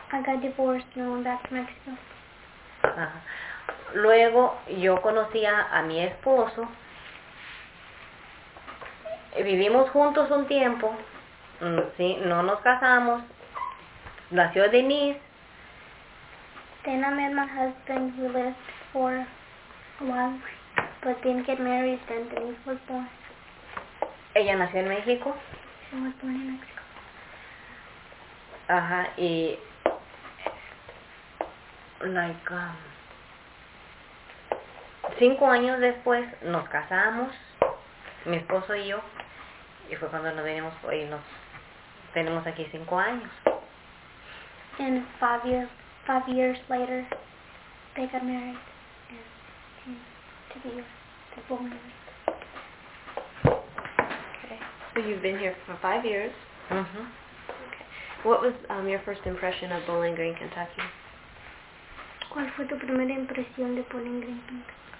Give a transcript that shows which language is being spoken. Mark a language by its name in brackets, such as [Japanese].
[English] I got divorced and went back to Mexico. Ajá. [Spanish] Luego yo conocí a mi esposo, vivimos juntos un tiempo, sí, no nos casamos, nació Denise. [English] Then I met my husband, we lived for a while, but didn't get married, then Denise was born. [Spanish] Ella nació en México. [English] She was born in Mexico. [Spanish] Ajá, y... like, 5 años después nos casamos, mi esposo y yo, y fue cuando nos venimos y nos... tenemos aquí 5 años. [English] And five years later, they got married and came to be the woman. Okay, so you've been here for 5 years. Mm-hmm. Okay. What was your first impression of Bowling Green, Kentucky? [Spanish] ¿Cuál fue tu primera impresión de Bowling Green, Kentucky?